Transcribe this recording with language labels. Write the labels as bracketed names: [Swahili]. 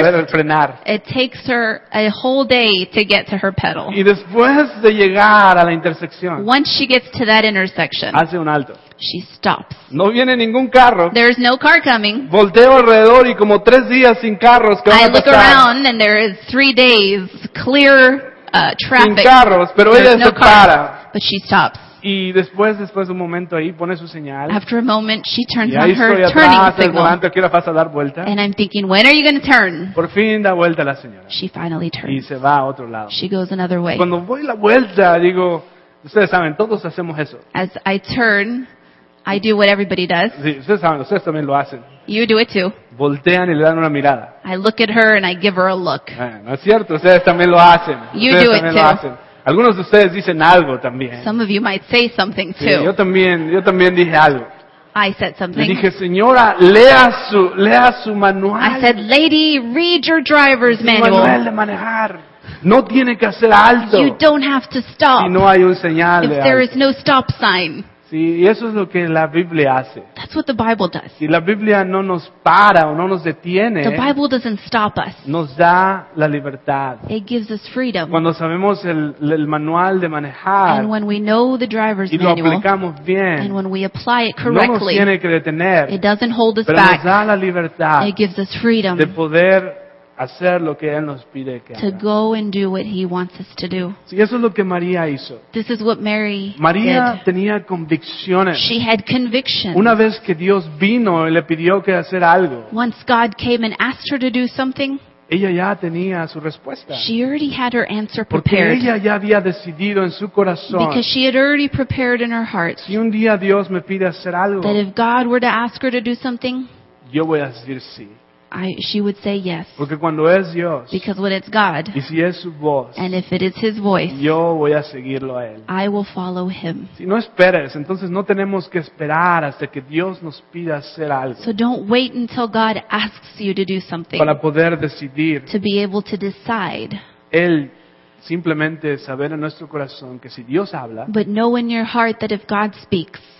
[Spanish] poder frenar. [English] It takes her a whole day to get to her pedal. [Spanish] Y después de llegar a la intersección, [English] once she gets to that intersection, [Spanish] hace un alto. [English] She stops. [Spanish] No viene ningún carro. [English] There's no car coming. [Spanish] Volteo alrededor y como tres días sin carros que van a pasar. [English] I look around and there is 3 days clear traffic. [Spanish] Sin carros, pero ella se para. [English] But she stops. [Spanish] Y después de un momento ahí pone su señal. [English] After a moment she turns on her turning signal. [Spanish] Y ahí estoy atrás, ¿qué hora vas a dar vuelta? [English] And I'm thinking, when are you going to turn? [Spanish] Por fin da vuelta la señora. [English] She finally turns. [Spanish] Y se va a otro lado. [English] She goes another way. [Spanish] Cuando voy la vuelta digo, ustedes saben, todos hacemos eso. [English] As I turn, I do what everybody does. [Spanish] Sí, ustedes saben, ustedes también lo hacen. [English] You do it too. [Spanish] Voltean y le dan una mirada. [English] I look at her and I give her a look. [Spanish] No es cierto, ustedes también lo hacen. [English] You [Spanish] ustedes también [English] it [Spanish] lo [English] too. [Spanish] Hacen. Algunos de ustedes dicen algo también. [English] Some of you might say something too. [Spanish] Sí, yo también dije algo. [English] I said something. [Spanish] Le dije, señora, lea su manual. [English] I said, lady, read your driver's manual. [Spanish] Su manual de manejar. No tiene que hacer alto. [English] You don't have to stop. [Spanish] Si no hay un señal. [English] If there is no stop sign. [Spanish] Sí, y eso es lo que la Biblia hace. [English] That's what the Bible does. [Spanish] Si la Biblia no nos para o no nos detiene. [English] The Bible doesn't stop us. [Spanish] Nos da la libertad. [English] It gives us freedom. [Spanish] Cuando sabemos el manual de manejar. [English] And when we know the driver's manual. [Spanish] Y lo aplicamos bien. [English] And when we apply it correctly. [Spanish] No nos tiene que detener. [English] It doesn't hold us [Spanish] pero [English] back. [Spanish] Pero nos da la libertad. [English] It gives us freedom. [Spanish] De poder hacer lo que él nos pide que haga. [English] To go and do what he wants us to do. [Spanish] Sí, eso es lo que María hizo. [English] This is what Mary did. [Spanish] María tenía convicciones. [English] She had convictions. [Spanish] Una vez que Dios vino y le pidió que hacer algo. [English] Once God came and asked her to do something. [Spanish] Ella ya tenía su respuesta. [English] She already had her answer prepared. [Spanish] Porque ella ya había decidido en su corazón. [English] Because she had already prepared in her heart. [Spanish] Si un día Dios me pide hacer algo. [English] That if God were to ask her to do something. [Spanish] Yo voy a decir sí. [English] She would say yes. [Spanish] Porque cuando es Dios, [English] because when it's God, [Spanish] y si es su voz, [English] and if it is His voice, [Spanish] yo voy a seguirlo a él. [English] I will follow Him. [Spanish] Si no esperes, entonces no tenemos que esperar hasta que Dios nos pida hacer algo. [English] So don't wait until God asks you to do something. [Spanish] Para poder decidir. [English] To be able to decide. [Spanish] Él simplemente saber en nuestro corazón que si Dios habla, [English] but know in your heart that if God speaks,